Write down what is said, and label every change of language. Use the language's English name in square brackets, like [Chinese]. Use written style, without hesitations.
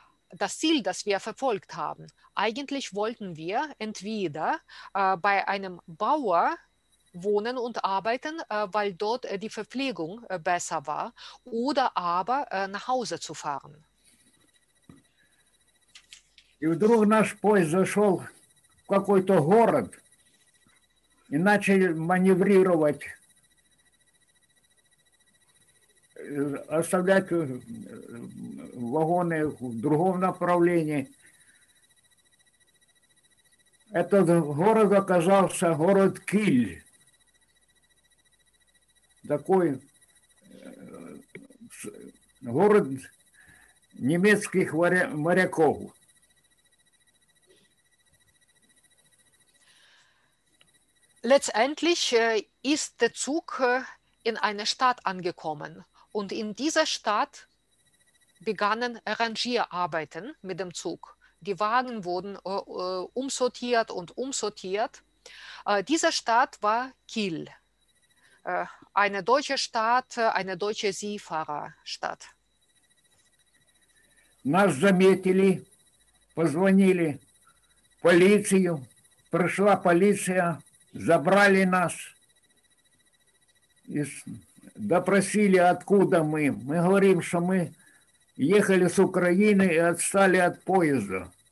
[German] Das Ziel, das wir verfolgt haben, eigentlich wollten wir entweder bei einem Bauer wohnen und arbeiten, weil dort die Verpflegung besser war, oder aber nach Hause zu fahren. [Russian] И вдруг наш поезд зашел в какой-то город и начал маневрировать, оставлять вагоны в другом направлении. Этот город оказался город Киль. Такой город немецких моряков. [German] Letztendlich ist der Zug in eine Stadt angekommen. Und in dieser Stadt begannen Rangierarbeiten mit dem Zug. Die Wagen wurden umsortiert und umsortiert. Diese Stadt war Kiel, eine deutsche Stadt, eine deutsche Seefahrerstadt. [Russian] Нас заметили, позвонили полицию, пришла полиция, забрали нас. Допросили, откуда мы. Мы говорим, что мы ехали с Украины и отстали от поезда.